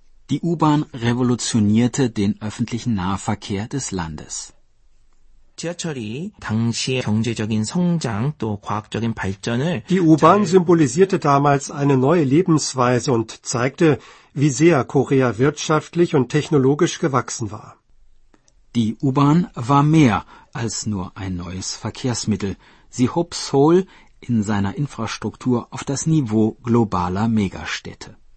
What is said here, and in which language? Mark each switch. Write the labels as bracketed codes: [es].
[de] Die U-Bahn revolutionierte den öffentlichen Nahverkehr des Landes. [ko] 지하철이 당시의 경제적인 성장 또 과학적인 발전을 [de] Die U-Bahn symbolisierte damals eine neue Lebensweise und zeigte, wie sehr Korea wirtschaftlich und technologisch gewachsen war. Die U-Bahn war mehr als nur ein neues Verkehrsmittel. Sie hob Seoul in seiner Infrastruktur auf das Niveau globaler Megastädte.